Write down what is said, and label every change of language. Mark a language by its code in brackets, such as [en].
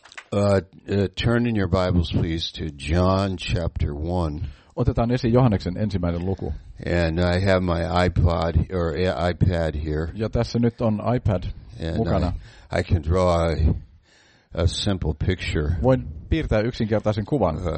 [en] Turn in your Bibles, please, to John chapter 1. [fi] Otetaan esiin Johanneksen ensimmäinen luku. [en] And I have my iPod or iPad here. [fi] Ja tässä nyt on iPad mukana. [en] I can draw a simple picture. [fi] Voin piirtää yksinkertaisen kuvan.